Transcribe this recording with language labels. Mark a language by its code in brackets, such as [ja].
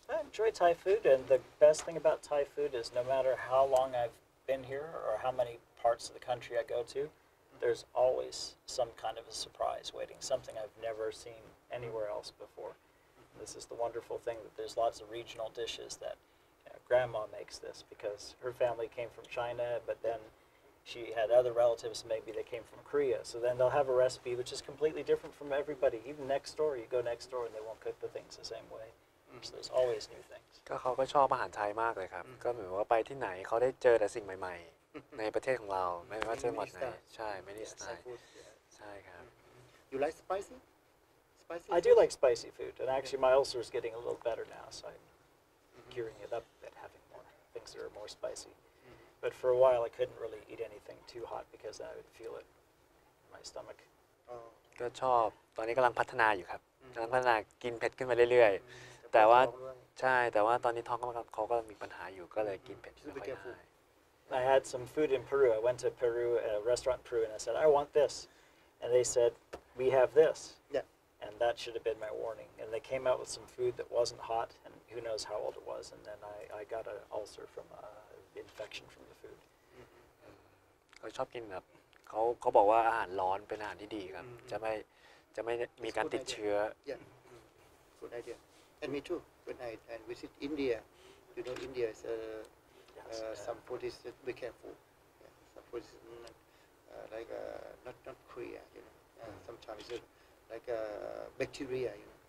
[en] I enjoy Thai food, and the best thing about Thai food is no matter how long I've been here or how many parts of the country I go to, there's always some kind of a surprise waiting, something I've never seen anywhere else before. This is the wonderful thing that there's lots of regional dishes that you know, grandma makes this because her family came from China, but then she had other relatives maybe that came from Korea. So then they'll have a recipe which is completely different from everybody. Even next door, you go next door and they won't cook the things the same way. Mm-hmm. So there's always new things. [th] ก็เขาก็ชอบอาหารไทยมากเลยครับก็เหมือนว่าไปที่ไหนเขาได้เจอแต่สิ่งใหม่ๆในประเทศของเราไม่ว่าจะหมดไหนใช่ไม่ได้สไตล์ใช่ครับ [en] You like spicy? I do like spicy food, and actually my ulcer is getting a little better now, so I'm curing it up a bit, having more things that are more spicy. But for a while, I couldn't really eat anything too hot because I would feel it in my stomach. [th] ก็ชอบตอนนี้กำลังพัฒนาอยู่ครับกำลังพัฒนากินเผ็ดขึ้นมาเรื่อยๆแต่ว่าใช่แต่ว่าตอนนี้ท้องก็เขาก็มีปัญหาอยู่ก็เลยกินเผ็ดไม่ค่อยได้ [en] I had some food in Peru. I went to Peru, a restaurant in Peru, and I said, I want this. And they said, we have this. Yeah. And that should have been my warning. And they came out with some food that wasn't hot, and who knows how old it was. And then I got an ulcer from an infection from the food. [th] เขาชอบกินแบบเขาบอกว่าอาหารร้อนเป็นอาหารที่ดีครับจะไม่มีการติดเชื้อ [en] Yeah, good idea. And me too. When I and visit India, you know, India is some food is be careful. Some food is like not Korea, you know. Sometimes. Like a bacteria, you know.